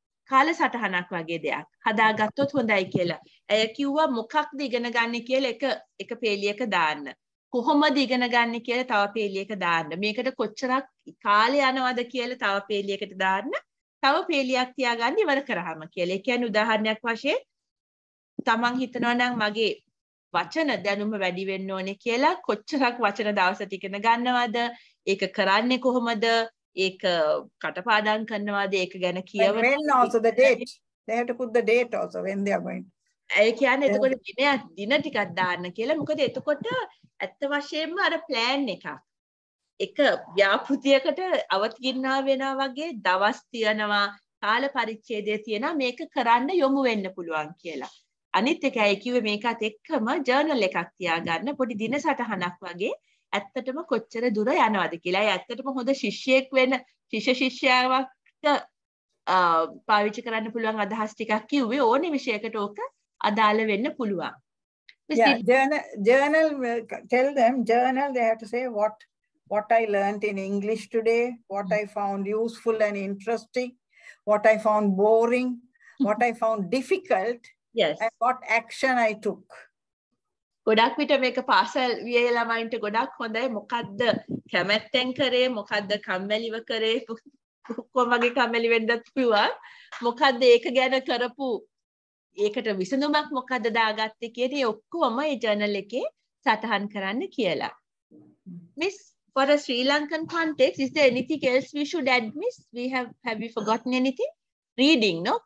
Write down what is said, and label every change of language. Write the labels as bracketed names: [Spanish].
[Sinhala] කාල සටහනක් වගේ දෙයක් හදාගත්තොත් හොඳයි කියලා ඇය කිව්වා මොකක්ද ඉගෙන ගන්න කියලා එක පේලියක දාන්න කොහොමද ඉගෙන ගන්න කියලා තව පේලියක දාන්න මේකට කොච්චරක් කාලය යනවද කියලා තව පේලියකට දාන්න තව පේලියක් තියාගන්න ඉවර කරාම කියලා ඒ කියන්නේ උදාහරණයක් වශයෙන් තමන් හිතනවා නම් මගේ වචන දැනුම වැඩි වෙන්න ඕනේ කියලා කොච්චරක් වචන දවසට ඉගෙන ගන්නවද ඒක කරන්නේ කොහොමද ඒක කටපාඩම් කරනවාද ඒක ගැන කියවනවා [English] when also the date they have to put the date also when they are going [Sinhala] ඒ කියන්නේ එතකොට දින ටිකක් දාන්න කියලා මොකද එතකොට ඇත්ත වශයෙන්ම අර plan එකක් එක ව්‍යාපෘතියකට අවතීනවා වෙනවා වගේ දවස් තියනවා කාල පරිච්ඡේදය තියනවා මේක කරන්න යොමු වෙන්න පුළුවන් කියලා අනිත් එක ඇයි කිව්වේ මේකත් එක්කම journal එකක් තියාගන්න පොඩි දින සටහනක් වගේ ඇත්තටම කොච්චර දුර යනවද කියලා. ඒ ඇත්තටම හොඳ ශිෂ්‍යයෙක් වෙන ශිෂ්‍ය ශිෂ්‍යාවකට පාවිච්චි කරන්න පුළුවන් අදහස් ටිකක් කිව්වේ ඕනේ විෂයකට ඕක අදාළ වෙන්න පුළුවන්. [English] Journal tell them journal they have to say what I learned in English today, what I found useful and interesting, what I found boring, what I found difficult, yes, and what action I took. [Sinhala] ගොඩක් විට මේක පාසල් විය ළමයින්ට ගොඩක් හොඳයි මොකද්ද කැමැත්තෙන් කරේ මොකද්ද කම්මැලිව කරේ කොහොමගේ කම්මැලි වෙන්නත් පුළුවා මොකද්ද ඒක ගැන කරපු ඒකට විසඳුමක් මොකද්ද දාගත්තේ කියන ඒ ඔක්කොම ඒ ජර්නල් එකේ සටහන් කරන්න කියලා [English] miss for a Sri Lankan context is there anything else we should add miss we have we forgotten anything reading, no?